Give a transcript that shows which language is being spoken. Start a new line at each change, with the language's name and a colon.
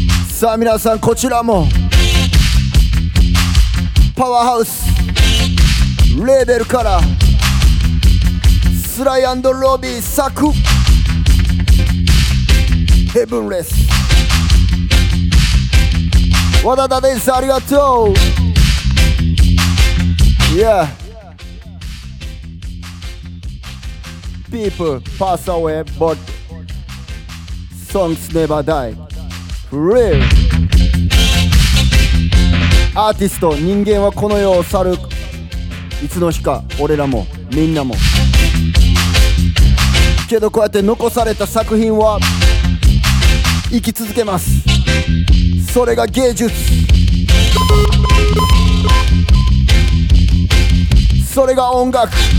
Japanese: さあ皆さん、こちらもパワーハウスレーベルからスライ&ロビー作ヘブンレス、和田です。ありがとう。
English: Yeah People pass away but songs never die. Real.
Japanese: アーティスト、人間はこの世を去る。いつの日か俺らもみんなも。けどこうやって残された作品は生き続けます。それが芸術、それが音楽。